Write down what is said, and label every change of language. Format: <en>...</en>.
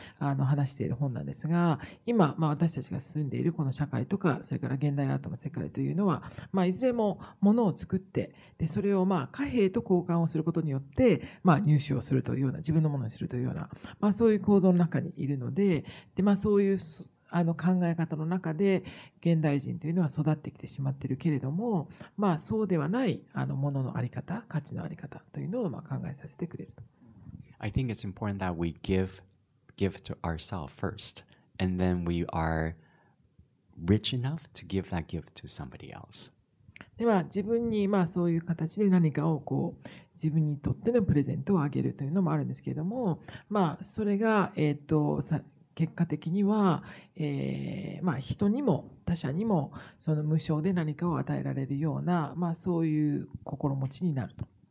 <ja>ら話している本なんですが、今、まあ、私たちが住んでいるこの社会とか、それから現代アートの世界というのは、まあ、いずれも物を作って、でそれをまあ貨幣と交換をすることによって、まあ、入手をするというような、自分のものにするというような、まあ、そういう構造の中にいるの で、まあ、そういう考え方の中で現代人というのは育ってきてしまっているけれども、まあ、そうではないもののあり方、価値のあり方というのをまあ考えさせてくれると。</ja> <en>I think it's important that we give to ourselves first, and then we are rich enough to give that gift to somebody else.</en> <ja>では自分にまあそういう形で何かをこう自分にとってのプレゼントをあげるというのもあるんですけれども、まあ、それが結果的には、まあ、人にも他者にもその無償で何かを与えられるような、まあ、そういう心持ちになると。</ja>